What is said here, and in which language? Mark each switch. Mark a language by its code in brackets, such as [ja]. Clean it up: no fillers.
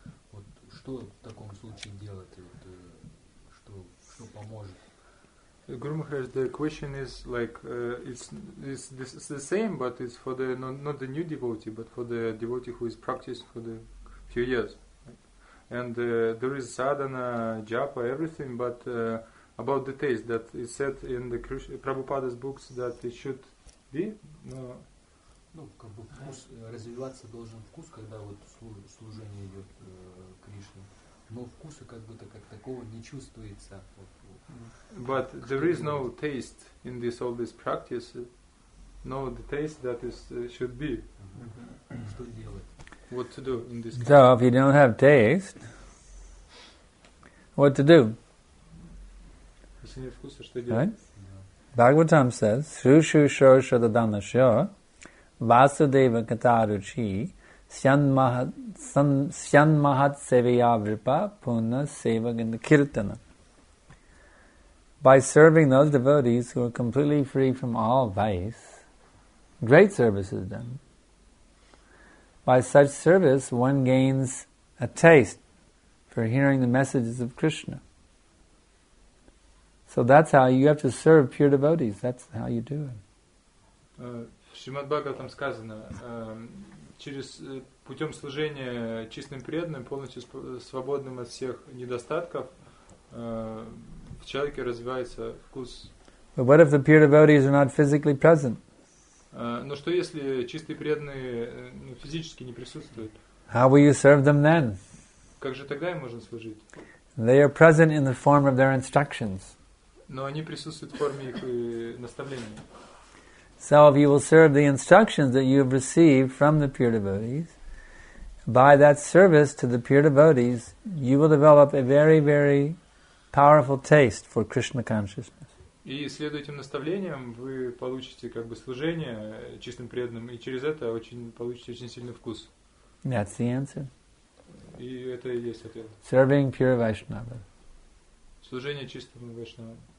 [ru] Вот что в таком случае делать, вот, что поможет? [en] Guru Maharaj, the question is like it's the same, but it's for the not the new devotee, but for the devotee who is practiced for the few years. And there is sadhana, japa, everything, but about the taste that is said in the Prabhupada's books that it should be. No. [ru] Ну, как бы вкус развиваться должен вкус, когда вот служение идет Кришне. Но вкуса как будто как такого не чувствуется. [en] But there is no taste in this all this practice, no the taste that is should be. [ru] Что делать? [en] What to do in this case? So if you don't have taste, what to do? [ru] Если нет вкуса, что делать? [en] Right? Yeah. Bhagavatam says, [sa] Shushu Shosha Dadana Shya, Vasudeva Katarucchi, Syan Mahat Seviya Vripa, Puna Seva Gindakirtana. [en] By serving those devotees who are completely free from all vice, great service is done. By such service, one gains a taste for hearing the messages of Krishna. So that's how you have to serve pure devotees. That's how you do it. [ru] Shrimad Bhagavatam сказано, через путем служения чистым преданным, полностью свободным от всех недостатков, в человеке развивается вкус. [en] But what if the pure devotees are not physically present? [ru] Но что если чистые преданные физически не присутствуют? [en] How will you serve them then? [ru] Как же тогда им можно служить? [en] They are present in the form of their instructions. [ru] Но они присутствуют в форме их наставлений. [en] So if you will serve the instructions that you have received from the pure devotees, by that service to the pure devotees, you will develop a very, very powerful taste for Krishna consciousness. [ru] И следуя этим наставлениям, вы получите как бы служение чистым преданным, и через это очень получите очень сильный вкус. [en] That's the answer. [ru] И это и есть ответ. [en] Serving pure Vaishnava. [ru] Служение чистому Вайшнава.